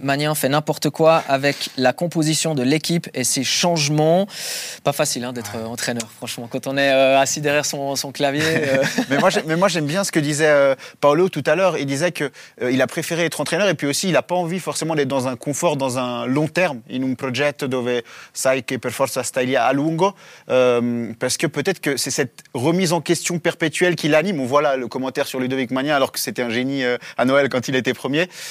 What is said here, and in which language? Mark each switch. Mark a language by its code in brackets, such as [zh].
[fr] Magnin fait n'importe quoi avec la composition de l'équipe et ses changements. Pas facile d'être entraîneur, franchement, quand on est assis derrière son clavier. mais moi, j'aime bien ce que disait Paolo tout à l'heure. Il disait qu'il a préféré être entraîneur et puis aussi, il n'a pas envie forcément d'être dans un confort, dans un long terme. [it] In un progetto dove sai che per forza stai lì a lungo. [fr] Parce que peut-être que c'est cette remise en question perpétuelle qui l'anime. On voit là le commentaire sur Ludovic Magnin, alors que c'était un génie à Noël quand il était premier.